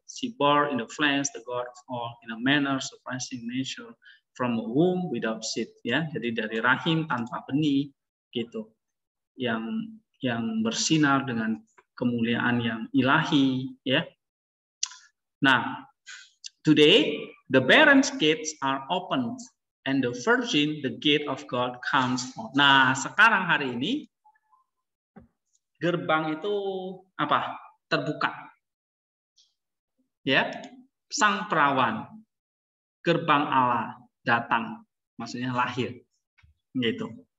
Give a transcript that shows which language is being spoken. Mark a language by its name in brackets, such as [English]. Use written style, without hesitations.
[English] She bore in the flesh the God of all in a manner surpassing nature from a womb without seed. [Indonesian] Ya, yeah, jadi dari rahim tanpa benih gitu. Yang bersinar dengan kemuliaan yang ilahi, ya. Yeah. [English] Nah, today the barren gates are opened and the virgin, the gate of God, comes forth. [Indonesian] Nah, sekarang hari ini gerbang itu apa? Terbuka. Ya. Sang perawan, gerbang Allah datang, maksudnya lahir. Gitu.